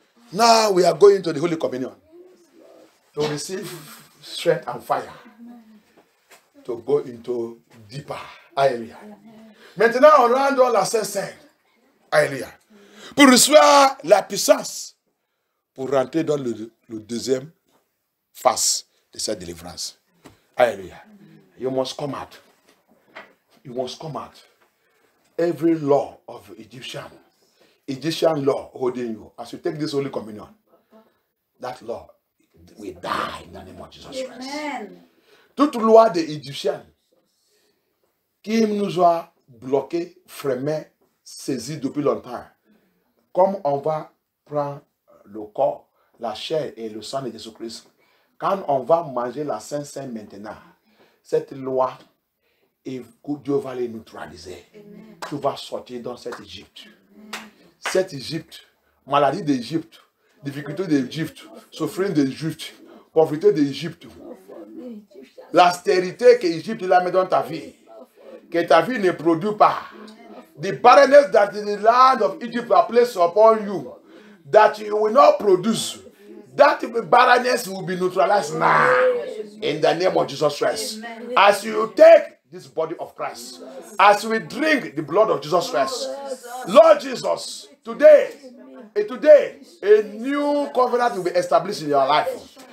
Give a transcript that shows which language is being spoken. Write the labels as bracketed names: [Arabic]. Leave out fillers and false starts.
[English] Now we are going to the Holy Communion to receive strength and fire to go into deeper area. [French] Maintenant, on rend la Saint-Saint. Alléluia. Pour recevoir la puissance pour rentrer dans le deuxième phase de cette délivrance. [English] Alléluia. You must come out. You must come out. Every law of Egyptian law holding you, as you take this Holy Communion, that law will die in the name of Jesus Christ. Amen. [French] Toute loi des Égyptiens qui nous a bloqué, frémé, saisi depuis longtemps. Comme on va prendre le corps, la chair et le sang de Jésus-Christ, quand on va manger la Sainte-Sainte maintenant, cette loi, Dieu va les neutraliser. Amen. Tu vas sortir dans cette Égypte. Cette Égypte, maladie d'Égypte, difficulté d'Égypte, souffrance d'Égypte, pauvreté d'Égypte, l'astérité que l'Égypte a mis dans ta vie. Que ta vie ne produit pas. [English] The barrenness that the land of Egypt has placed upon you, that you will not produce, that barrenness will be neutralized now. In the name of Jesus Christ. As you take this body of Christ, as we drink the blood of Jesus Christ, Lord Jesus, today, a new covenant will be established in your life.